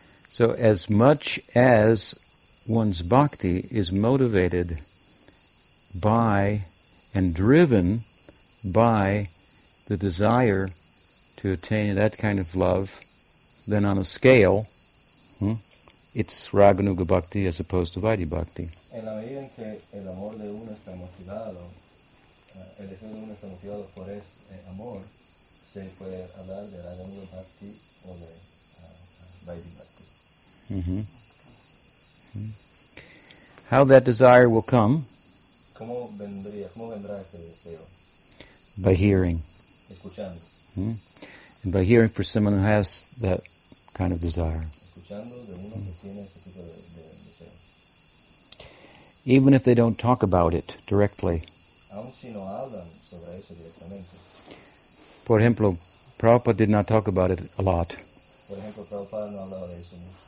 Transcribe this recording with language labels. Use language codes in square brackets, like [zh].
[en] So as much as one's bhakti is motivated by and driven by the desire to attain that kind of love, then on a scale, it's Raganuga Bhakti as opposed to Vaidhi Bhakti. [es] En la medida en que el amor de uno está motivado, el deseo de uno está motivado por ese amor, se puede hablar de Raganuga Bhakti o de Vaidhi Bhakti. [en] How that desire will come? [es] ¿Cómo vendría, cómo vendrá ese deseo? [en] By hearing. [es] Escuchando. [en] And by hearing for someone who has that kind of desire. [es] Escuchando de uno que tiene ese tipo de deseo. [en] Even if they don't talk about it directly. [es] Aun si no hablan sobre eso directamente. Por ejemplo, [en] Prabhupada did not talk about it a lot. [es] Por ejemplo, Prabhupada no hablaba de eso mucho.